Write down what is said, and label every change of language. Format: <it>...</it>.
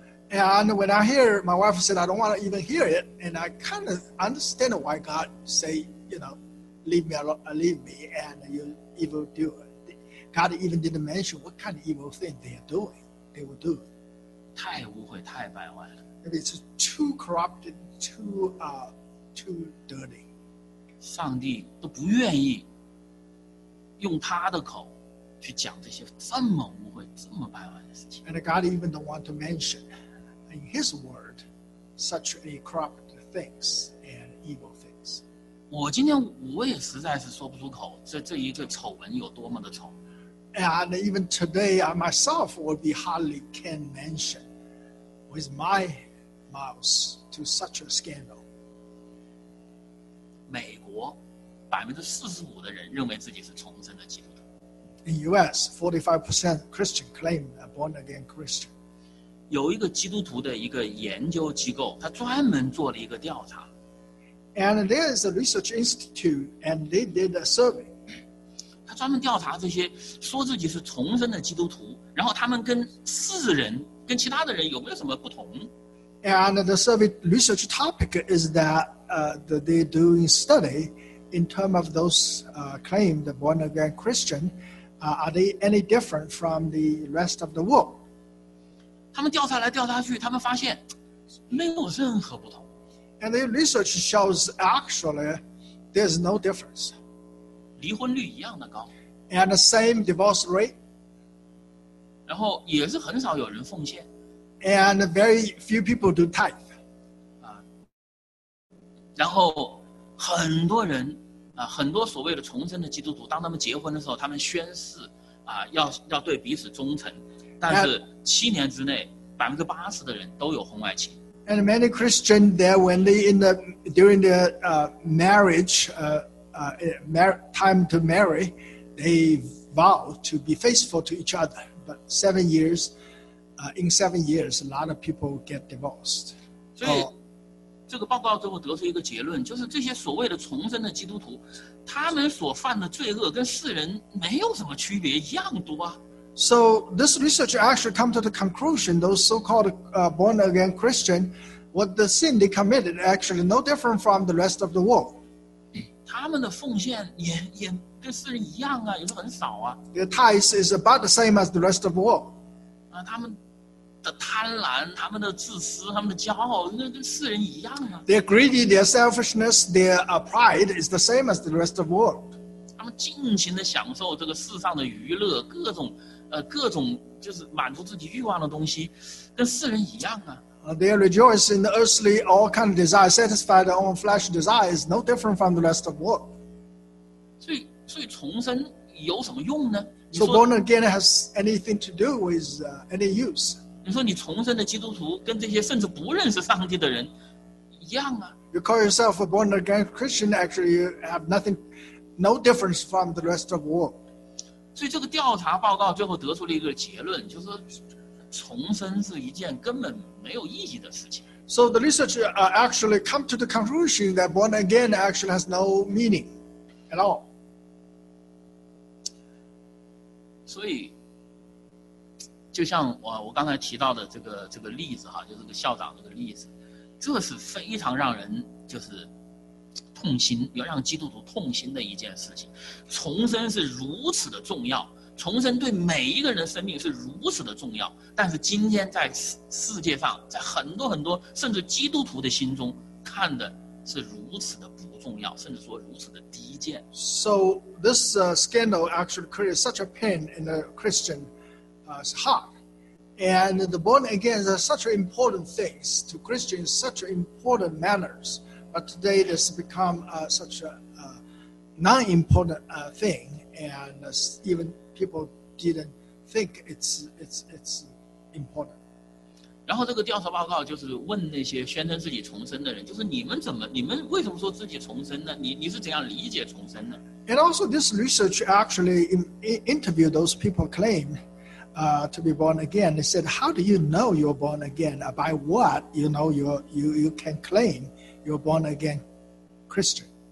<en>And when I hear my wife said, I don't want to even hear it, and I kind of understand why God say, you know, leave me alone, leave me, and you evil doer. God even didn't mention what kind of evil thing they are doing, they will do.</en> <zh>太污秽，太败坏了。</zh> <en>Maybe it's too corrupted, too dirty.</en> <zh>上帝都不愿意用他的口去讲这些这么污秽、这么败坏的事情。</zh> <en>And God even don't want to mention. In His word, such a corrupt things and evil things.</en> <zh>我今天我也实在是说不出口，这一个丑闻有多么的丑。</zh> <en>And even today, I myself would be hardly can mention with my mouth to such a scandal.</en> <zh>美国45%的人认为自己是重生的基督徒。</zh> <en>In U.S., 45% Christian claim a born again Christian.</en> <zh>有一个基督徒的一个研究机构，他专门做了一个调查。</zh> <en>And there is a research institute, and they did a survey.</en> <zh>他专门调查这些说自己是重生的基督徒，然后他们跟世人、跟其他的人有没有什么不同</zh> <en>？And the survey research topic is that they doing study in term of those claimed born again Christian, are they any different from the rest of the world?</en> <zh>他们调查来调查去，他们发现没有任何不同。</zh> <en>And the research shows actually there's no difference.</en> <zh>离婚率一样的高。</zh> <en>And the same divorce rate.</en> <zh>然后也是很少有人奉献。</zh> <en>And very few people do tithe.</en> <zh>然后很多人啊，很多所谓的重生的基督徒，当他们结婚的时候，他们宣誓啊，要对彼此忠诚。但是七年之内，80%的人都有婚外情。</zh> <en>And many Christians there when they in the during the marriage time to marry, they vow to be faithful to each other. But in seven years, a lot of people get divorced.</en> <zh>所以这个报告最后得出一个结论，就是这些所谓的重生的基督徒，他们所犯的罪恶跟世人没有什么区别，一样多啊。</zh> <en>So this research actually come to the conclusion those so-called born again Christian, what the sin they committed actually no different from the rest of the world.</en> <zh>他他们的奉献 也跟世人一样啊，也是很少啊。</zh> <en>Their tithes is about the same as the rest of the world.</en> <zh>啊，他们的贪婪，他们的自私，他们的骄傲，那跟世人一样啊。</zh> <en>Their greedy, their selfishness, their pride is the same as the rest of the world.</en> <zh>他们尽情的享受这个世上的娱乐，各种各种就是满足自己欲望的东西，跟世人一样啊。</zh> <en>They rejoice in the earthly all kind of desires, satisfy their own flesh desires, no different from the rest of the world.</en> <zh>所以重生有什么用呢？</zh> <en>So born again has anything to do with any use.</en> <zh>你说你重生的基督徒跟这些甚至不认识上帝的人一样啊。</zh> <en>You call yourself a born again Christian, actually you have nothing, no difference from the rest of the world.</en> <zh>所以这个调查报告最后得出了一个结论，就是重生是一件根本没有意义的事情。</zh> <en>So the research actually come to the conclusion that born again actually has no meaning at all.</en> <zh>所以，就像我刚才提到的这个例子哈，就是个校长这个例子，这是非常让人就是痛心，要让基督徒痛心的一件事情。重生是如此的重要。重生对每一个人的生命是如此的重要，但是今天在世界上，在很多很多甚至基督徒的心中看的是如此的不重要，甚至说如此的低贱。</zh> <en>So this scandal actually created such a pain in the Christian heart, and the born again are such important things to Christians, such important manners, but today it has become such a non-important thing, and evenPeople didn't think it's important.</en> <zh>然后这个调查报告就是问那些宣称自己重生的人，就是你们为什么说自己重生呢？你是怎样理解重生的？</zh> <en>And also this research actually interviewed those people claim to be born again. They said, how do you know you're born again? By what you know you can claim you're born again Christian?</en>